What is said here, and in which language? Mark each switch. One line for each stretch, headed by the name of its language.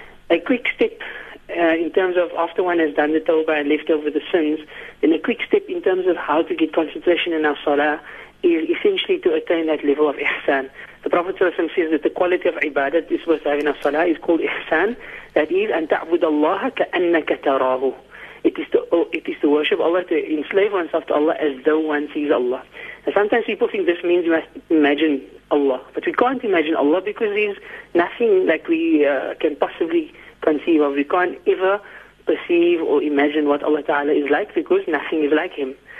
English: A quick step in terms of after one has done the tawbah and left over the sins, then a quick step in terms of how to get concentration in our salah is essentially to attain that level of ihsan. The Prophet says that the quality of ibadah that is worth having in our salah is called ihsan. That is,
Arabic: أن تعبد الله كأنك تراه.
English: It is to worship Allah, to enslave oneself to Allah as though one sees Allah. And sometimes people think this means you must imagine Allah. But we can't imagine Allah because there's nothing like we can possibly conceive of. We can't ever perceive or imagine what Allah Ta'ala is like because nothing is like Him.